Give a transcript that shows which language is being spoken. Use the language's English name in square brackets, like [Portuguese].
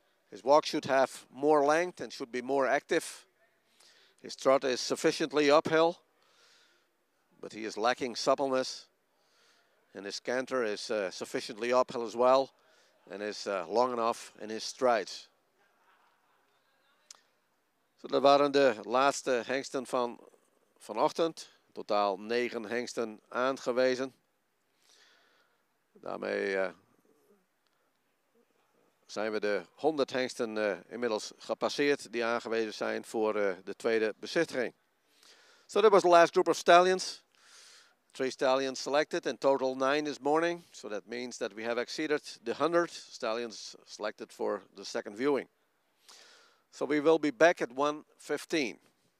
[English] His walk should have more length and should be more active. His trot is sufficiently uphill, but he is lacking suppleness. And his canter is sufficiently uphill as well and is long enough in his strides. [Dutch] So dat waren de laatste hengsten van vanochtend. Totaal 9 hengsten aangewezen. Daarmee zijn we de 100 hengsten inmiddels gepasseerd die aangewezen zijn voor de tweede bezichtiging. [English] So that was the last group of stallions. 3 stallions selected in total 9 this morning. So that means that we have exceeded the 100 stallions selected for the second viewing. So we will be back at 1:15.